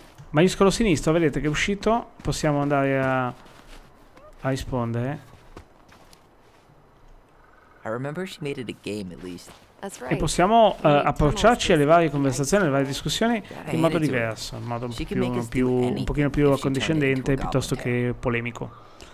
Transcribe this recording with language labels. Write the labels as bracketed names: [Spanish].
[Italian] Maiuscolo sinistro, vedete che è uscito. Possiamo andare a rispondere. [English] I remember she made it a game at least. [Italian] E possiamo approcciarci alle varie conversazioni, alle varie discussioni in modo diverso, in modo più un pochino più accondiscendente piuttosto che polemico.